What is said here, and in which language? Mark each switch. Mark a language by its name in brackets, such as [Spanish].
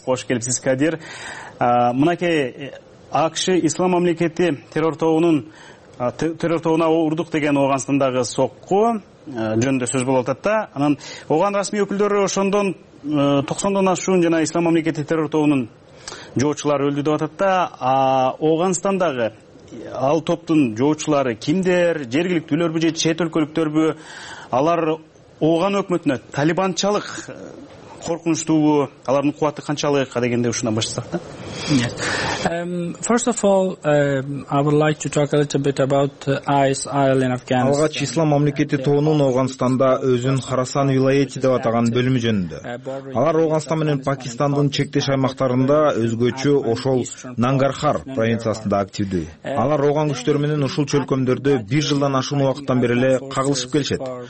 [Kyrgyz] Кош келипсиз, Кадир. Мынакей АКШ Ислам мамлекети террор тобуна урдук деген Ооганстандагы сокку жөнүндө сөз болуп атат да, анан ооган расмий өкүлдөрү ошондон 90 ашуун жана Ислам мамлекети террор тобунун жоочулары өлдү деп атат да, Ооганстандагы ал топтун жоочулары кимдер? Жергиликтүүлөрбү же чет өлкөлүктөрбү? Алар ооган өкмөтүнө талибанчалык коркунучтуубу? Алардын кубаты канчалык? Адегенде ушундан баштасак да. [English] First of all, I would like to talk a little bit about ISIL in Afghanistan. [Kyrgyz] Алгач Ислам мамлекети тобунун Ооганстанда өзүн Харасан вилаяти деп атаган бөлүмү жөнүндө. Алар Ооганстан менен Пакистандын чектеш аймактарында өзгөчө ошол Нангархар провинциясында активдүү. Алар ооган күчтөр менен ушул чөлкөмдөрдө бир жылдан ашуун убакыттан бери эле кагылышып келишет.